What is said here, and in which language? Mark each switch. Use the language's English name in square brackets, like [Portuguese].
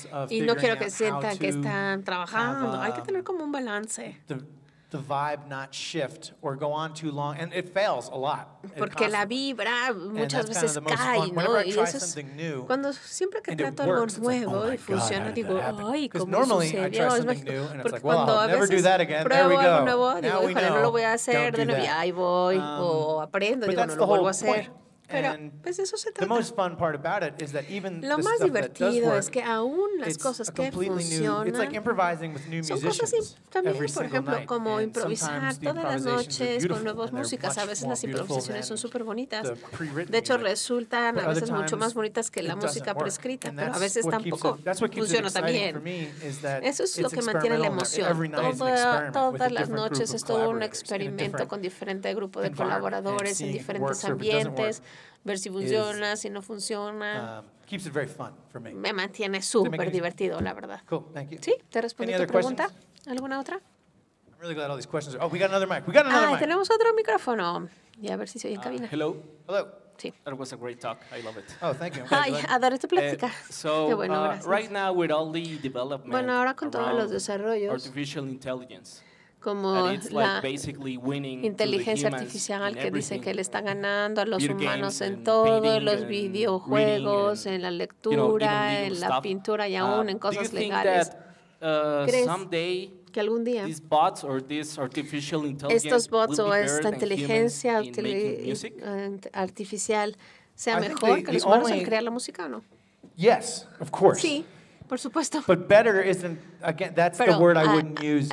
[Spanish] Y no quiero que sientan que están trabajando, hay que tener como un balance. [English] The vibe not shift or go on too long, and it fails a lot. [Spanish] Porque la vibra muchas veces cae, ¿no? Y eso es cuando siempre que trato algo nuevo y funciona, digo, ¡ay, cómo sucedió! Porque cuando a veces pruebo algo nuevo, digo, ojalá no lo voy a hacer de nuevo, ahí voy, o aprendo, digo, no lo vuelvo a hacer. Pero, pues, eso se trata. Lo más divertido es que aún las cosas que funcionan son cosas también, por ejemplo, como improvisar todas las noches con nuevas músicas. A veces las improvisaciones son súper bonitas. De hecho, resultan a veces mucho más bonitas que la música prescrita, pero a veces tampoco funciona también. Eso es lo que mantiene la emoción. Todas las noches es todo un experimento con diferente grupo de colaboradores en diferentes ambientes. Ver si funciona, si no funciona. [English] Keeps it very fun for me. [Spanish] Me mantiene súper divertido, la verdad. [English] Cool, thank you. [Spanish] ¿Sí? ¿Te respondí tu pregunta? ¿Alguna otra? [English] I'm really glad all these questions are... Oh, we got another mic. We got another mic. [Spanish] Tenemos otro micrófono. Y a ver si se oye en cabina. [English] Hello. Hello. [Spanish] Sí. [English] That was a great talk. I love it. Oh, thank you. [Spanish] Ay, adoro tu plática. Qué bueno, gracias. [English] Right now, with all the development, [Spanish] bueno, ahora con todos los desarrollos, [English] artificial intelligence, [Spanish] como la inteligencia artificial que dice que le está ganando a los humanos en todos los videojuegos, en la lectura, en la pintura y aún en cosas legales. ¿Crees que algún día estos bots o esta artificial artificial sea mejor que los humanos en crear la música o no? [English] Yes, of course. [Spanish] Sí. Por supuesto. [English] But better isn't, again, that's the word I wouldn't use.